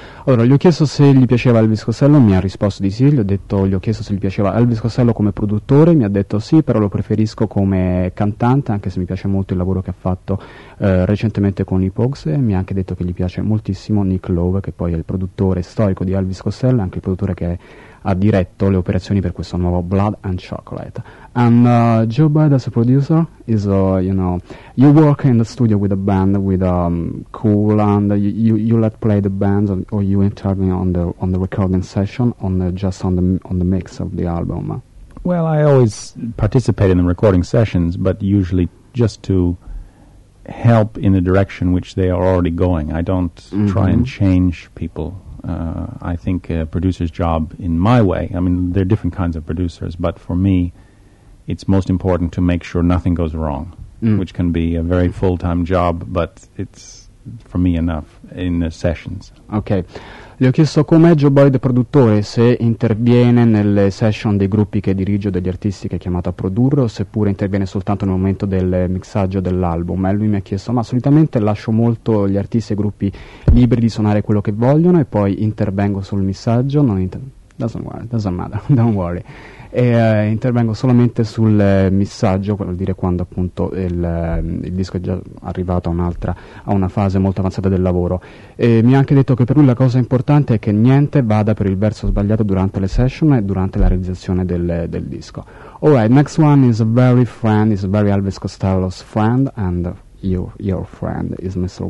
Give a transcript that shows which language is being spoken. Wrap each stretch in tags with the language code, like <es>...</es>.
<it>Allora, gli ho chiesto se gli piaceva Elvis Costello, mi ha risposto di sì, gli ho chiesto se gli piaceva Elvis Costello come produttore, mi ha detto sì, però lo preferisco come cantante, anche se mi piace molto il lavoro che ha fatto recentemente con i Pogues, e mi ha anche detto che gli piace moltissimo Nick Lowe, che poi è il produttore storico di Elvis Costello, anche il produttore che ha diretto le operazioni per questo nuovo Blood and Chocolate.</it> <en>And Joe Bide as a producer is, you know, you work in the studio with a band with Cool, and you let play the bands, or you intervene on the recording session, on the mix of the album? Well, I always participate in the recording sessions, but usually just to help in the direction which they are already going. I don't mm-hmm. try and change people. I think a producer's job, in my way, I mean, there are different kinds of producers, but for me, it's most important to make sure nothing goes wrong, which can be a very full-time job, but it's, for me, enough in the sessions. Okay.</en> <it>Gli ho chiesto com'è Joe Boyd produttore, se interviene nelle session dei gruppi che dirige o degli artisti che è chiamato a produrre, o seppure interviene soltanto nel momento del mixaggio dell'album. E lui mi ha chiesto, ma solitamente lascio molto gli artisti e i gruppi liberi di suonare quello che vogliono e poi intervengo sul mixaggio, intervengo solamente sul mixaggio, vuol dire quando appunto il disco è già arrivato a una fase molto avanzata del lavoro. E mi ha anche detto che per lui la cosa importante è che niente vada per il verso sbagliato durante le session e durante la realizzazione del disco.</it> <en>Alright, next one is a very friend, is a very Elvis Costello's friend, and your friend is Mr.</en>